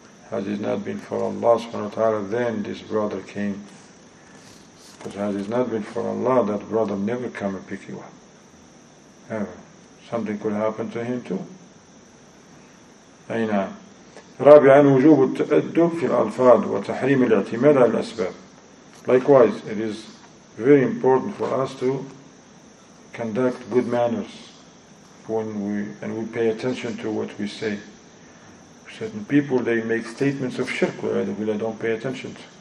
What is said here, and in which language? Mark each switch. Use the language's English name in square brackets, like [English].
[English] Has it not been for Allah subhanahu wa ta'ala, then this brother came. Because has it not been for Allah, that brother never come and pick you up. Ever. Something could happen to him too. Ayna. [Arabic] رابعا وجوب التأدب في الألفاظ وتحريم الاعتماد على الأسباب. [English] Likewise, it is very important for us to conduct good manners when we pay attention to what we say. Certain people, they make statements of shirk that we don't pay attention to.